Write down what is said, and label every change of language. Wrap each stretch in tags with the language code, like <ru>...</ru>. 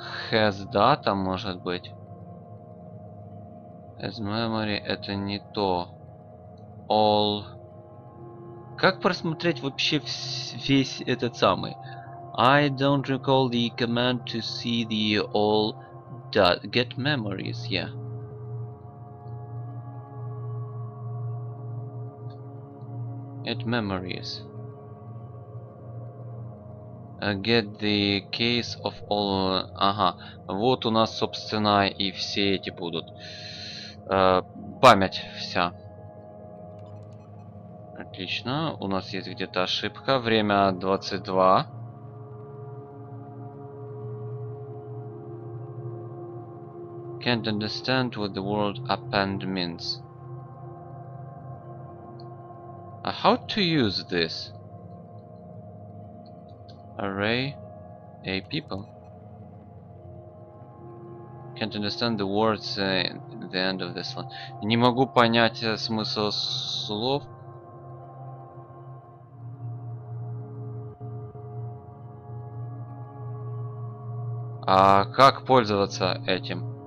<en>Has data,</en> <ru>может быть.</ru> <en>Has memory,</en> <ru>это не то.</ru> <en>All.</en> <ru>Как просмотреть вообще весь этот самый?</ru> <en>I don't recall the command to see the all data. Get memories, yeah. Get memories. Get the case of all.</en> <ru>Ага, вот у нас, собственно, и все эти будут. Память вся. Отлично. У нас есть где-то ошибка. Время 22.</ru> <en>Can't understand what the word append means. How to use this? Array a people. Can't understand the words at the end of this one.</en> <ru>Не могу понять смысл слов. Ага. А как пользоваться этим?</ru>